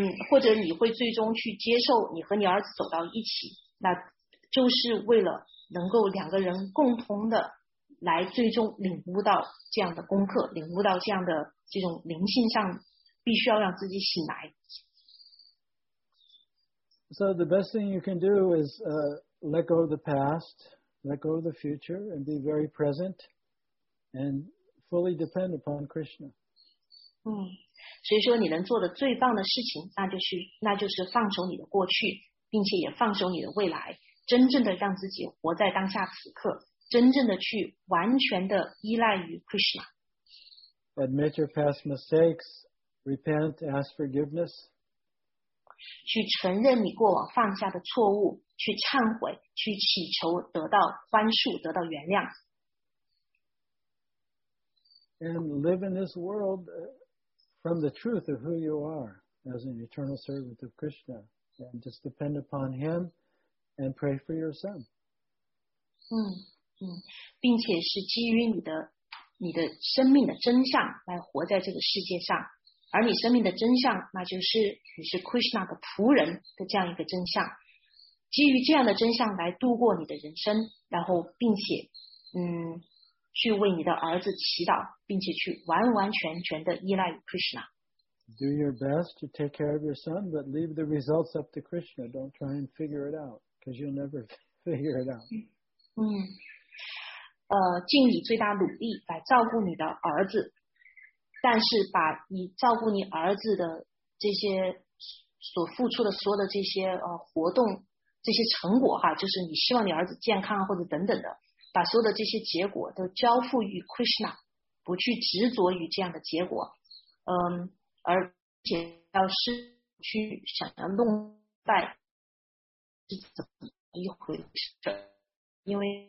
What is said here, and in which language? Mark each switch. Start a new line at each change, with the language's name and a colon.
Chinese: 或者你会最终去接受你和你儿子走到一起，那就是为了能够两个人共同的来最终领悟到这样的功课，领悟到这样的这种灵性上必须要让自己醒来。
English: So the best thing you can do is let go of the past, let go of the future, and be very present and fully depend upon Krishna.
Chinese: 所以说你能做的最棒的事情，那就是放手你的过去，并且也放手你的未来，真正的让自己活在当下此刻，真正的去完全的依赖于 Krishna.
English: Admit your past mistakes, repent, ask forgiveness.
Chinese: 去承认你过往犯下的错误，去忏悔，去祈求得到宽恕，得到原谅。
English: And live in this world from the truth of who you are as an eternal servant of Krishna, and just depend upon Him and pray for your son.
Chinese: 并且是基于你的生命的真相来活在这个世界上。而你生命的真相，那就是你是 Krishna 的仆人的这样一个真相，基于这样的真相来度过你的人生，然后并且去为你的儿子祈祷，并且去完完全全的依赖于 Krishna。
English: Do your best to take care of your son, but leave the results up to Krishna. Don't try and figure it out, because you'll never figure it out.
Chinese: 尽你最大努力来照顾你的儿子，但是把你照顾你儿子的这些所付出的所有的这些活动这些成果哈，就是你希望你儿子健康或者等等的，把所有的这些结果都交付于 Krishna， 不去执着于这样的结果，而且要是去想要弄败是怎么一回事，因为